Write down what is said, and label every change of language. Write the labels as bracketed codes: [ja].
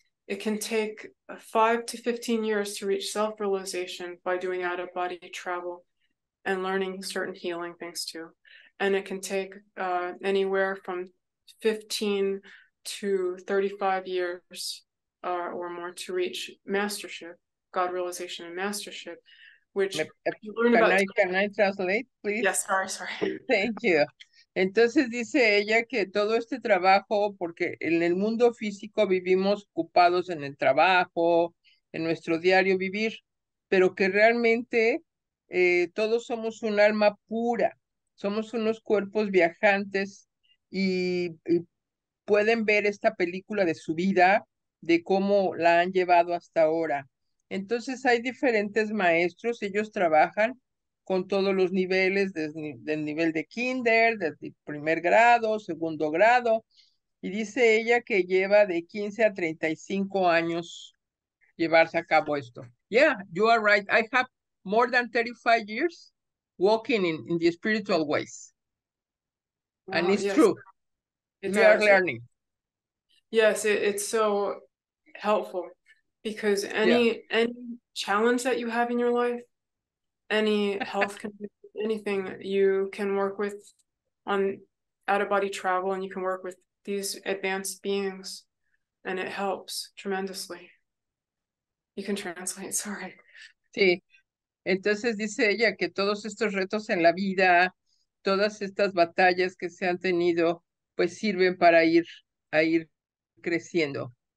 [en] It can take 5 to 15 years to reach self-realization by doing out-of-body travel and learning certain healing things too. And it can take anywhere from 15 to 35 years or more to reach mastership, God realization and mastership, which you learn about. Can I translate, please? Yes, sorry. Thank you. [es] Entonces dice ella que todo este trabajo, porque en el mundo físico vivimos ocupados en el trabajo, en nuestro diario vivir, pero que realmente todos somos un alma pura, somos unos cuerpos viajantes y pueden ver esta película de su vida, de cómo la han llevado hasta ahora. Entonces hay diferentes maestros, ellos trabajan con todos los niveles, del nivel de kinder, del primer grado, segundo grado, y dice ella que lleva de 15 a 35 años llevarse a cabo esto. [en] Yeah, you are right. I have more than 35 years walking in the spiritual ways. Wow, and it's yes. True. It we does. Are learning. Yes, it's so helpful because any challenge that you have in your life, any health condition, anything you can work with on out-of-body travel, and you can work with these advanced beings, and it helps tremendously. You can translate, sorry. [es] Sí. Entonces dice ella que todos estos retos en la vida, todas estas batallas que se han tenido, pues sirven para ir creciendo.